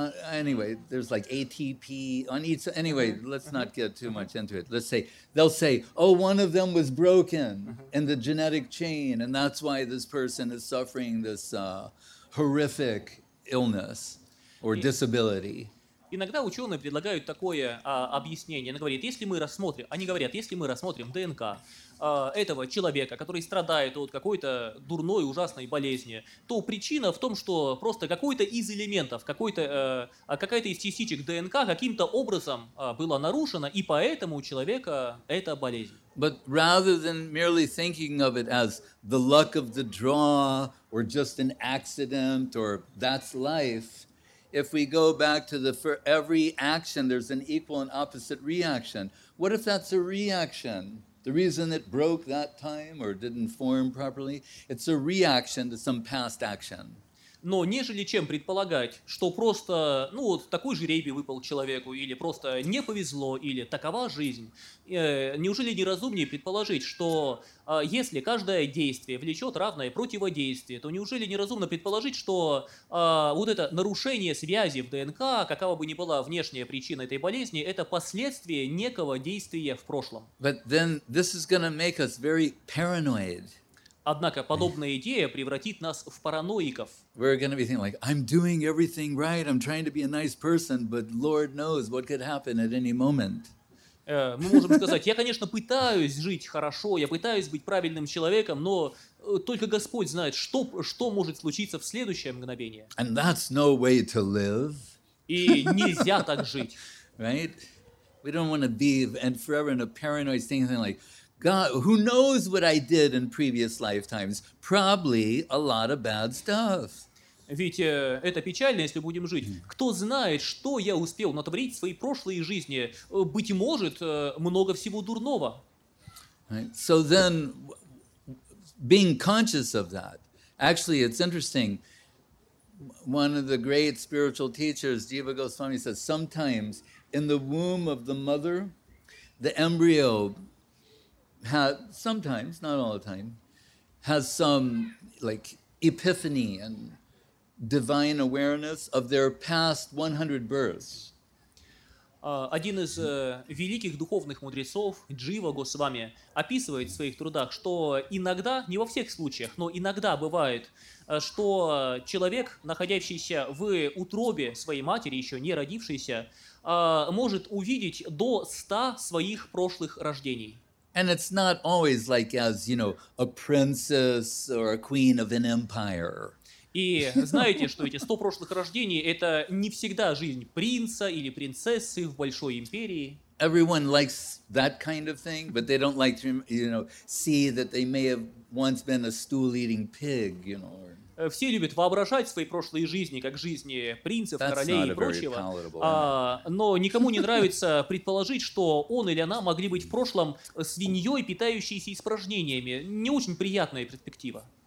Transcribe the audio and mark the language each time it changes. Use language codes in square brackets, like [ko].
[en] Anyway, there's like ATP on each. Anyway, let's not get too much into it. They'll say, oh, one of them was broken in the genetic chain, and that's why this person is suffering this horrific illness or disability. [ru] Иногда ученые предлагают такое объяснение. Они говорят, если мы рассмотрим ДНК этого человека, который страдает от какой-то дурной, ужасной болезни, то причина в том, что просто какой-то из элементов, какая-то из частичек ДНК каким-то образом была нарушена, и поэтому у человека эта болезнь. [en] But rather than merely thinking of it as the luck of the draw, or just an accident, or that's life, if we go back to the for every action, there's an equal and opposite reaction. What if that's a reaction? The reason it broke that time or didn't form properly, it's a reaction to some past action. [ru] Но нежели чем предполагать, что просто, ну вот такой жребий выпал человеку, или просто не повезло, или такова жизнь, неужели неразумнее предположить, что если каждое действие влечет равное противодействие, то неужели неразумно предположить, что вот это нарушение связи в ДНК, какова бы ни была внешняя причина этой болезни, это последствие некого действия в прошлом. [en] But then this is gonna make us very paranoid. [ru] Однако подобная идея превратит нас в параноиков. [en] We're going to be thinking like, I'm doing everything right, I'm trying to be a nice person, but Lord knows what could happen at any moment. [ru] Мы можем сказать, я, конечно, пытаюсь жить хорошо, я пытаюсь быть правильным человеком, но только Господь знает, что может случиться в следующее мгновение. [en] And that's no way to live. [ru] И нельзя так жить. [en] Right? We don't want to be and forever in a paranoid state like, God, who knows what I did in previous lifetimes? Probably a lot of bad stuff. [ru] Ведь это печально, если будем жить. Кто знает, что я успел натворить в своей прошлой жизни? Быть может, много всего дурного. [en] Right. So then, being conscious of that, actually, it's interesting. One of the great spiritual teachers, Jiva Goswami, says sometimes in the womb of the mother, the embryo has sometimes, not all the time, has some like epiphany and divine awareness of their past 100 births. [ru] Один из великих духовных мудрецов, Джива Госвами, описывает в своих трудах, что иногда, не во всех случаях, но иногда бывает, что человек, находящийся в утробе своей матери, еще не родившийся, может увидеть до 100 своих прошлых рождений. [en] And it's not always like as, you know, a princess or a queen of an empire. [ru] И знаете, что эти 100 прошлых рождений – это не всегда жизнь принца или принцессы в большой империи. [en] Everyone likes that kind of thing, but they don't like to, you know, see that they may have once been a stool-eating pig, you know. [ru] Все любят воображать свои прошлые жизни как жизни принцев, [en] That's [ru] королей и прочего. Но никому не нравится предположить, что он или она могли быть в прошлом свиньей, питающейся испражнениями. Не очень приятная перспектива.